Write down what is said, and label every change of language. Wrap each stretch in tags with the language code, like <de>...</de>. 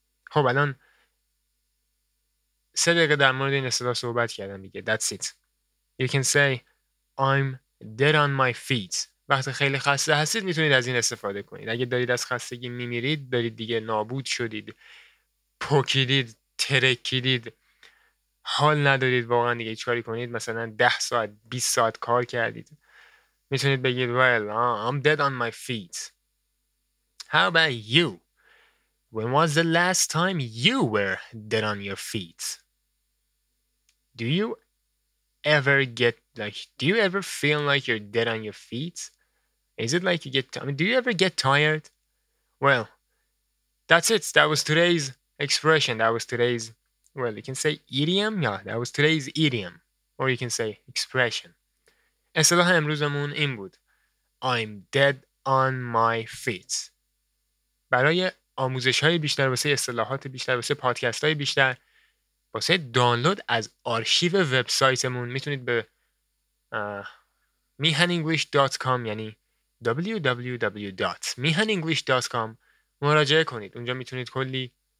<fa>خب الان 3 دقیقه در مورد این اصطلاح صحبت کردم دیگه.</fa> <en>That's it. You can say I'm dead on my feet.</en> <fa>وقتی خیلی خسته هستید میتونید از این استفاده کنید. اگه دارید از خستگی میمیرید، دارید دیگه نابود شدید، پوکیدید، ترکیدید، حال ندارید واقعا دیگه چیکاری کنید، مثلا 10 ساعت 20 ساعت کار کردید، میتونید بگید</fa> <en>Well, I'm dead on my feet. How about you? When was the last time you were dead on your feet? Do you ever get like, do you ever feel like you're dead on your feet? Is it like you get, I mean, do you ever get tired? Well, that's it. That was today's expression. That was today's, well, you can say idiom. Yeah, that was today's idiom. Or you can say expression.</en> <fa>اصطلاح امروزمون این بود.</fa> <en>I'm dead on my feet.</en> <fa>برای آموزش های بیشتر، واسه اصطلاحات بیشتر، واسه پادکست های بیشتر، واسه دانلود از آرشیو وبسایتمون میتونید به mihaninglish.com، یعنی www.mihaninglish.com مراجعه کنید. اونجا میتونید کلی</fa>